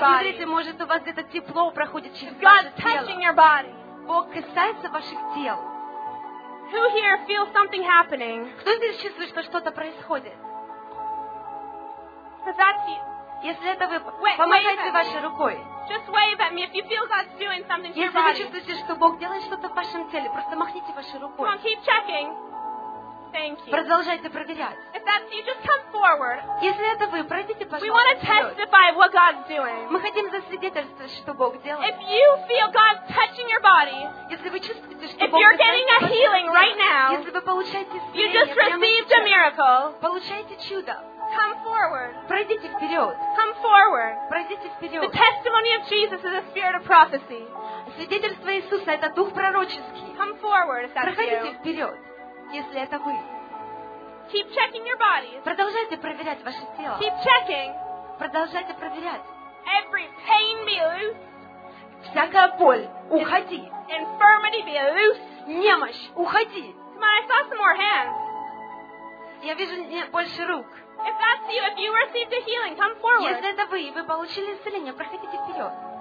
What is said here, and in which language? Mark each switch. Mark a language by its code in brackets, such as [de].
[ru] Посмотрите, может у вас где-то тепло проходит через тело. [en] God's touching your body. [ru] Бог касается ваших тел. [en] Who here feels something happening? [ru] Кто здесь чувствует, что что-то происходит? [en] So that's you. [ru] Если это вы, помахайте вашей рукой. [en] Just wave at me if you feel God's doing something. [ru] Если вы чувствуете, что Бог делает что-то в вашем теле, просто махните вашей рукой. [en] Come on, keep checking. thank you. [ru] Продолжайте проверять. [en] If that's you, just come forward. [ru] Если это вы, пройдите, пожалуйста. [en] We want to testify what God's doing. [ru] Мы хотим засвидетельствовать, что Бог делает. [en] If you feel God touching your body, [ru] если вы чувствуете, что Бог [en] if you're getting a healing right now, [ru] если вы получаете исцеление, [en] you just received a miracle. [ru] Получаете чудо. [en] Come forward. [ru] Пройдите вперед. [en] Come forward. [ru] Пройдите вперед. [en] The testimony of Jesus is a spirit of prophecy. [ru] Свидетельство Иисуса — это дух пророческий. [en] Come forward, if that's [ru] проходите [en] you. [ru] Вперед, если это вы. [en] Keep checking your bodies. [ru] Продолжайте проверять ваше тело. [en] Keep checking. [ru] Продолжайте проверять. [en] Every pain be loose. [ru] Всякая боль, уходи. [en] Infirmity be loose. [ru] Немощь, уходи. [en] Come on, I saw some more hands. [ru] Я вижу больше рук. [en] If that's you, if you received a healing, come forward. [ru] Если это вы, вы получили исцеление, проходите вперед.